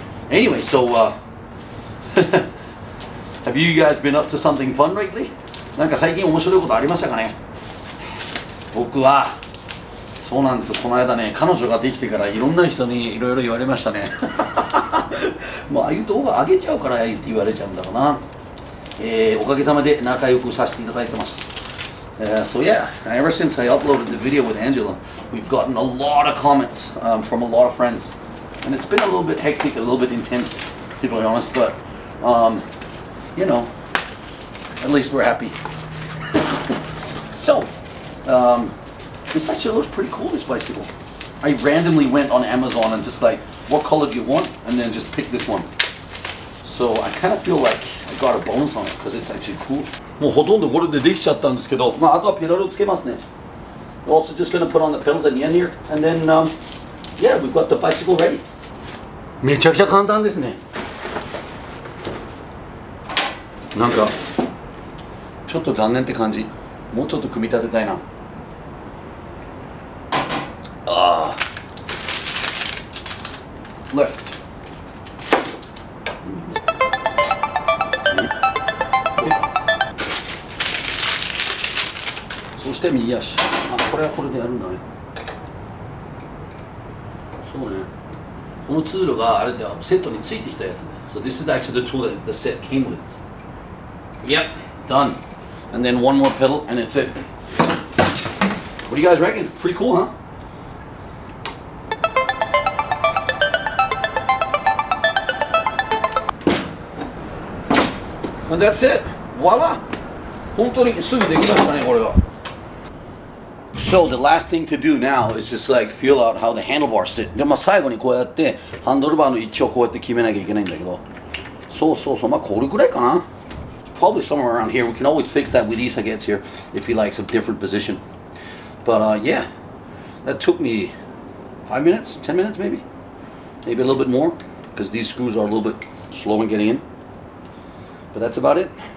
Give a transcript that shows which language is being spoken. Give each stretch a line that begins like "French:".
English: Anyway, so, have you guys been up to something fun lately?
Japanese: なんか最近面白いことありましたかね？僕は、そうなんです。この間ね、彼女ができてからいろんな人にいろいろ言われましたね。まあ、ああいう動画上げちゃうからって言われちゃうんだろうな。おかげさまで仲良くさせていただいてます。
English: So yeah, ever since I uploaded the video with Angela, we've gotten a lot of comments from a lot of friends. And it's been a little bit hectic, a little bit intense, to be honest, but, you know, at least we're happy. So, this actually looks pretty cool, this bicycle. I randomly went on Amazon and just like, what color do you want? And then just pick this one. So I kind of feel like I got a bonus on it because it's actually cool.
Japanese: もうほとんどこれでできちゃったんですけど、まあ、あとはペダルをつけますね。
English: We're also just gonna put on the pedals at the end here. And then, yeah, we've got the bicycle ready.
Japanese: めちゃくちゃ簡単ですね。なんか、ちょっと残念って感じ。もうちょっと組み立てたいな。ああ。
English: Left.
Japanese: そして右足。あ、これはこれでやるんだね。そうね。このツールがあれではセットについてきたやつね。
English: So this is actually the tool that the set came with. Yep, done. And then one more pedal and it's it. What do you guys reckon? Pretty cool, huh? And that's it. Voila!
Japanese: 本当にすぐできましたね、これは。
English: So the last thing to do now is just like feel out how the handlebars sit.
Japanese: でまあ最後にこうやってハンドルバーの位置をこうやって決めなきゃいけないんだけど。そうそうそう、まあこれくらいかな。
English: Probably somewhere around here. We can always fix that with Isa gets here if he likes a different position. But yeah, that took me 5 minutes, 10 minutes maybe. Maybe a little bit more because these screws are a little bit slow in getting in. But that's about it.